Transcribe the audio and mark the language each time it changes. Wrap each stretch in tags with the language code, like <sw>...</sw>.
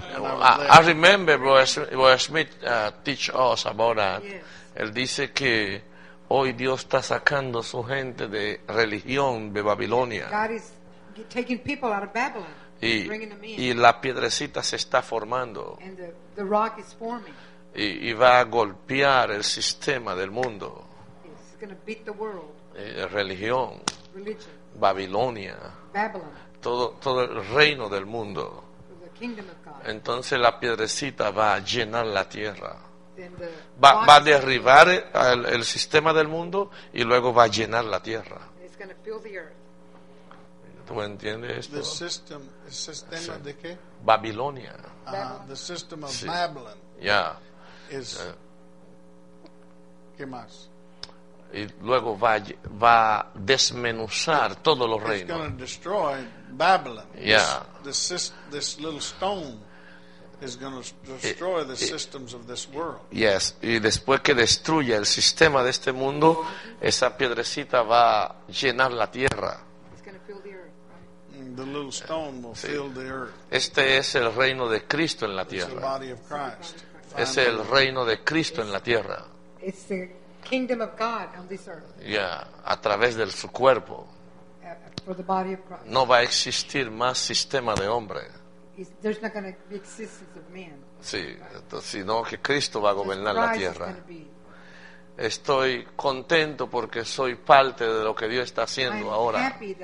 <en>I remember Brother Smith teach us about that. Yes.</en> <es>Él dice que hoy Dios está sacando su gente de religión de Babilonia.</es> <en>God is taking people out of Babylon. Y bringing them in.</en> <es>Y la piedrecita se está formando.</es> <en>And the rock is forming.</en> <es>Y va a golpear el sistema del mundo.</es> <en>Going to beat the world.</en> <es>Religión.</es> <en>Religion.</en> <es>Babilonia.</es> <en>Babylon.</en> <es>Todo el reino del mundo.</es> <en>The kingdom of God.</en> <es>Entonces la piedrecita va a llenar la tierra. Va a derribar el sistema del mundo y luego va a llenar la tierra.</es> <en>It's going to fill the earth.</en> <es>¿Tú entiendes esto?</es> <en>The system,</en> <es>sí. ¿De qué? Babilonia.</es> <en>The system of sí. Babylon. Yeah.</en> <es>Is, ¿qué más? Y luego va a desmenuzar todos los reinos.</es> <en>It's going to destroy Babylon. Yeah. This little stone is going to destroy the systems of this world. Yes.</en> <es>Y después que destruya el sistema de este mundo, esa piedrecita va a llenar la tierra.</es> <en>It's going to fill the earth. The little stone will fill the earth.</en> <es>Este es el reino de Cristo en la tierra.</es> <en>It's the body of Christ.</en> <es>Es el reino de Cristo en la tierra.</es> <en>It's the kingdom of God on this earth.</en> <es>Yeah, a través de su cuerpo.</es> <en>For the body of Christ.</en> <es>No va a existir más sistema de hombre.</es> <en>There's not going to be existence of man.</en> <es>Sí, sino que Cristo va a gobernar</es> <en>Christ</en> <es>la tierra.</es> <en>Is going to be.</en> <es>Estoy contento porque soy parte de lo que Dios está haciendo ahora.</es>